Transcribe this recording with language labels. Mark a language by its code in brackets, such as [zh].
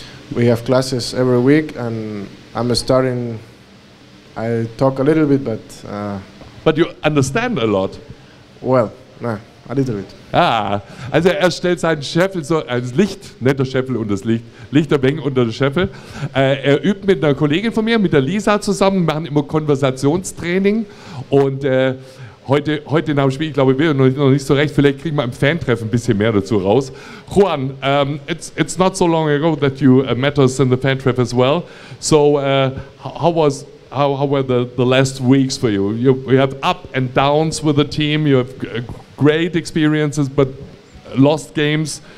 [en] We have classes every week and I'm starting, I talk a little bit, but... But you understand a lot? Well, nah, a little bit. [de] Ah, also er stellt seinen Scheffel so, ein Licht, nicht der Scheffel unter das Licht, Licht der Beng unter den Scheffel. Er übt mit einer Kollegin von mir, mit der Lisa zusammen, machen immer Konversationstraining und heute nach dem Spiel, ich glaube, wir sind noch nicht so recht, vielleicht kriegen wir im Fantreffen ein bisschen mehr dazu raus. [en] Juan, it's not so long ago that you met us in the Fantreff as well. So, how were the last weeks for you? You have up and downs with the team, you have great experiences, but lost games.